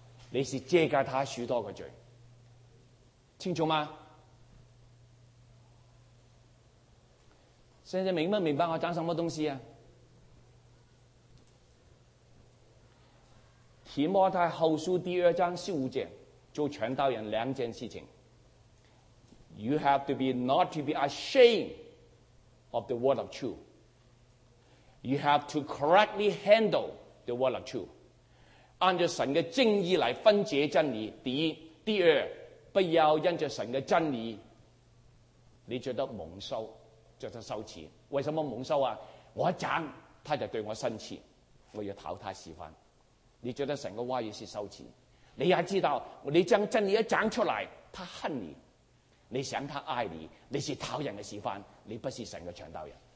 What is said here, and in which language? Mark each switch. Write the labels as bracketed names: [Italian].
[Chinese] 你是遮盖他许多的罪，清楚吗？现在明不明白我讲什么东西啊？提摩太后书第二章十五节，做传道人两件事情。 [English] You have to be not to be ashamed of the word of truth. You have to correctly handle the word of truth. [Chinese] 按着神的正义来分解真理，第一，第二，不要因着神的真理你觉得蒙羞，觉得羞耻。为什么蒙羞啊？我一讲他就对我生气，我要讨他喜欢。你觉得神的话语是羞耻，你也知道你将真理一讲出来，他恨你，你想他爱你，你是讨人的喜欢，你不是神的传道人。